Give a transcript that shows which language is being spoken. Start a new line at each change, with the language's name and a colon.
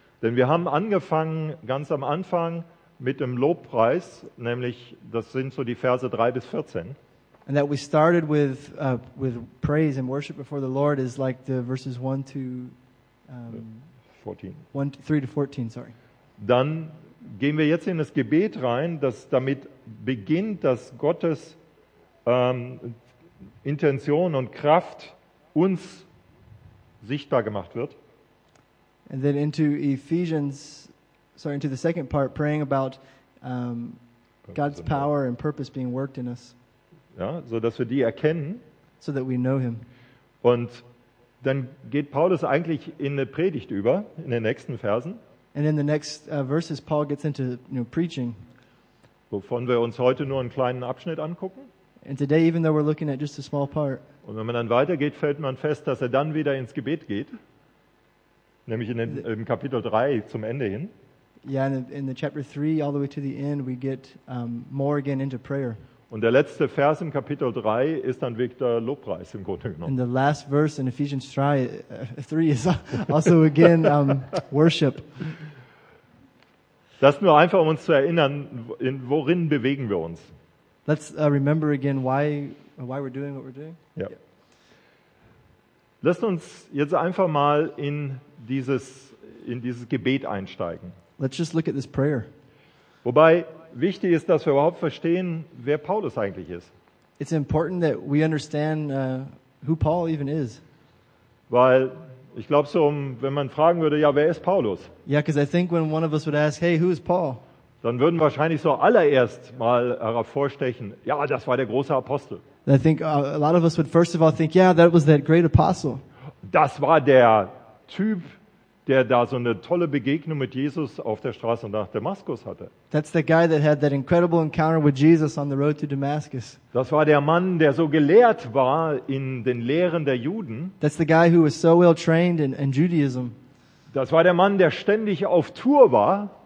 German: Denn wir haben angefangen ganz am Anfang mit dem Lobpreis, nämlich das sind so die Verse 3 bis 14.
English: And that we started with praise and worship before the Lord is like the verses 1 to 14. 3 to 14, sorry.
German: Dann gehen wir jetzt in das Gebet rein, das damit beginnt, dass Gottes Intention und Kraft uns sichtbar gemacht wird.
English: And then into Ephesians, sorry, into the second part, praying about God's power and purpose being worked in us.
German: Ja, so dass wir die erkennen.
English: So that we know him.
German: Und dann geht Paulus eigentlich in eine Predigt über, in den nächsten Versen.
English: And in the next verses, Paul gets into preaching.
German: Wovon wir uns heute nur einen kleinen Abschnitt angucken.
English: And today, even though we're looking at just a small part.
German: Und wenn man dann weitergeht, fällt man fest, dass er dann wieder ins Gebet geht. Nämlich im Kapitel 3 zum Ende hin.
English: Yeah, in the chapter 3 all the way to the end, we get more again into prayer.
German: Und der letzte Vers im Kapitel 3 ist dann wirklich der Lobpreis im Grunde genommen.
English: And the last verse in Ephesians 3 is also again worship.
German: Das nur einfach, um uns zu erinnern, worin bewegen wir uns.
English: Let's remember again why we're doing what we're doing. Ja. Yeah.
German: Lasst uns jetzt einfach mal in dieses Gebet einsteigen.
English: Let's just look at this prayer.
German: Wobei wichtig ist, dass wir überhaupt verstehen, wer Paulus eigentlich ist.
English: It's important that we understand who Paul even is.
German: Weil ich glaube, so wenn man fragen würde, ja, wer ist Paulus?
English: Yeah, because I think when one of us would ask, hey, who is Paul?
German: Dann würden wahrscheinlich so allererst mal hervorstechen, ja, das war der große Apostel.
English: I think a lot of us would first of all think, yeah, that was that great apostle.
German: Das war der Typ, der da so eine tolle Begegnung mit Jesus auf der Straße nach Damaskus hatte.
English: That's the guy that had that incredible encounter with Jesus on the road to Damascus.
German: Das war der Mann, der so gelehrt war in den Lehren der Juden.
English: That's the guy who was so well trained in Judaism.
German: Das war der Mann, der ständig auf Tour war.